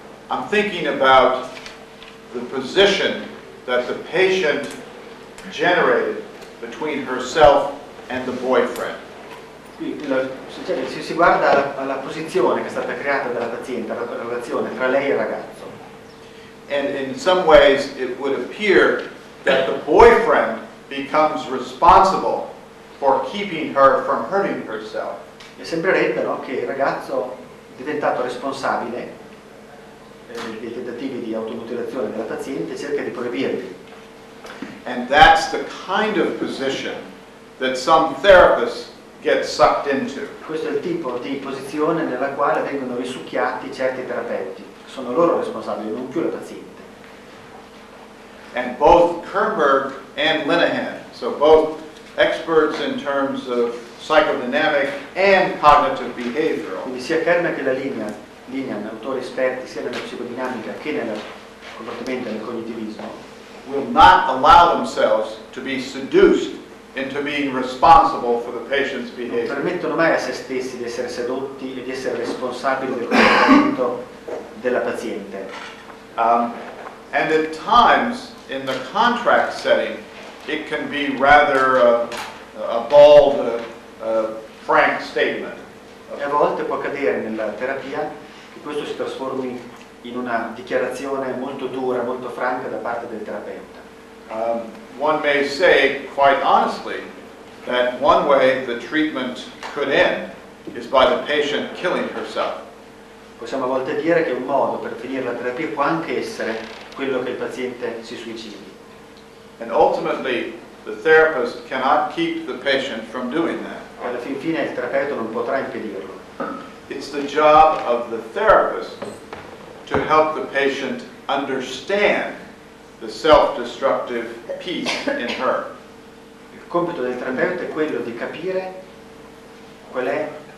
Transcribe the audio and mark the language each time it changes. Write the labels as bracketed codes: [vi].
[en] I'm thinking about the position that the patient generated between herself and the boyfriend. [it] Si guarda alla posizione che è stata creata dalla paziente, la relazione tra lei e il ragazzo. [en] And in some ways it would appear that the boyfriend becomes responsible for keeping her from hurting herself. [it] E sembrerebbe, no, che il ragazzo è diventato responsabile dei tentativi di automutilazione della paziente e cerca di proibirli. [en] And that's the kind of position that some therapists get sucked into. [it] Questo è il tipo di posizione nella quale vengono risucchiati certi terapeuti. Sono loro responsabili, non più la paziente. [en] And both Kernberg and Linehan, so both experts in terms of psychodynamic and cognitive behavioral. [it] Quindi sia Kernberg che la Linehan, autori esperti sia nella psicodinamica che nel comportamento, nel cognitivismo, [en] will not allow themselves to be seduced into being responsible for the patient's behavior. [it] Non permettono mai a se stessi di essere sedotti e di essere responsabili del comportamento della paziente. [en] And at times, in the contract setting, it can be rather a bold, frank statement. [it] E a volte può accadere nella terapia che questo si trasformi in una dichiarazione molto dura, molto franca da parte del terapeuta. [en] One may say, quite honestly, that one way the treatment could end is by the patient killing herself. [it] Possiamo a volte dire che un modo per finire la terapia può anche essere quello che il paziente si suicidi. [en] And ultimately, the therapist cannot keep the patient from doing that. [it] E alla fin fine il terapeuta non potrà impedirlo. [en] It's the job of the therapist to help the patient understand the self-destructive piece in her. [it] Il compito del terapeuta è quello di capire qual è